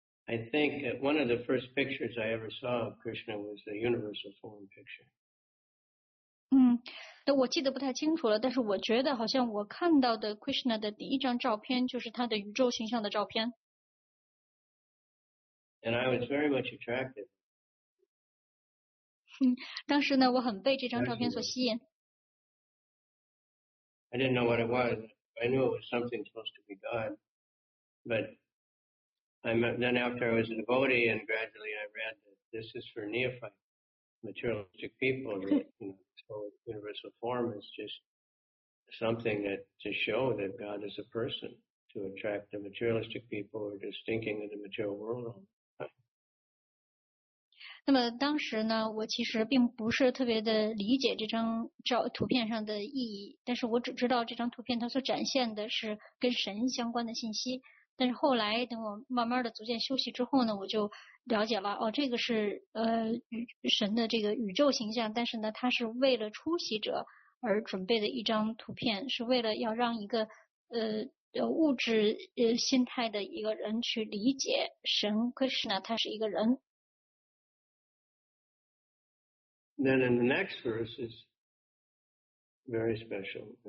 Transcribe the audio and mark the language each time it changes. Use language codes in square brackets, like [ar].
[en] I think one of the first pictures I ever saw of Krishna was a universal form picture. [zh] 那我记得不太清楚了，但是我觉得好像我看到的 Krishna 的第一张照片就是他的宇宙形象的照片。 [en] And I was very much attracted. [zh] 当时呢，我很被这张照片所吸引。 [en] I didn't know what it was. I knew it was something supposed to be God, but. Then after I was a devotee and gradually I read that this is for neophyte materialistic people, you know, this whole universal form is just something that to show that God is a person to attract the materialistic people who are just thinking of the material world all the time. [zh] 那么当时呢我其实并不是特别的理解这张图片上的意义，但是我只知道这张图片它所展现的是跟神相关的信息。但是后来等我慢慢的逐渐休息之后呢我就了解了哦这个是神的这个宇宙形象，但是呢它是为了出席者而准备的一张图片，是为了要让一个物质心态的一个人去理解神 Krishna 他是一个人。 [en] Then in the next verse is very special.